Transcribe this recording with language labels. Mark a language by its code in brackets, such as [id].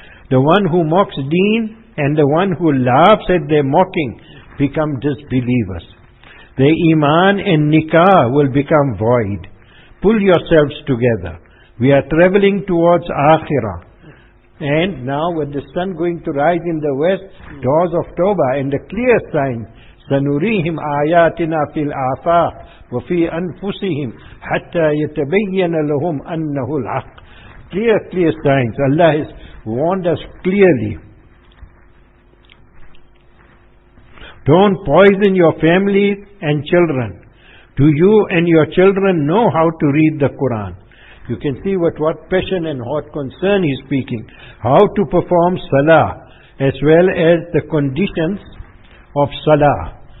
[en] The one who mocks deen and the one who laughs at their mocking become disbelievers. The iman and nikah will become void. Pull yourselves together. We are traveling towards Akhirah. And now with the sun going to rise in the west, doors of Tawbah, and the clear signs, [ar] سنريهم آياتنا في الآفاق وفي أنفسهم حتى يتبين لهم أنه الحق. [en] Clear signs. Allah has warned us clearly. Don't poison your families and children. Do you and your children know how to read the Quran? You can see with what passion and what concern he's speaking. How to perform salah, as well as the conditions of salah.